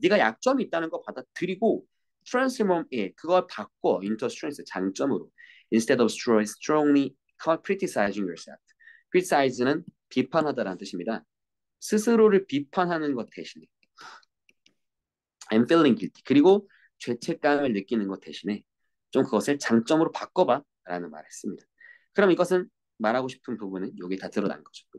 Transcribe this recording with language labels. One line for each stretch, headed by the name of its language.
Korean: 네가 약점이 있다는 거 받아들이고
English: transform it.
Korean: 그걸 바꿔
English: into strength,
Korean: 장점으로.
English: Instead of strongly criticizing yourself.
Korean: Criticize는 비판하다라는 뜻입니다. 스스로를 비판하는 것 대신에
English: I'm feeling guilty.
Korean: 그리고 죄책감을 느끼는 것 대신에 좀 그것을 장점으로 바꿔봐 라는 말을 했습니다. 그럼 이것은 말하고 싶은 부분은 여기 다 드러난 거죠.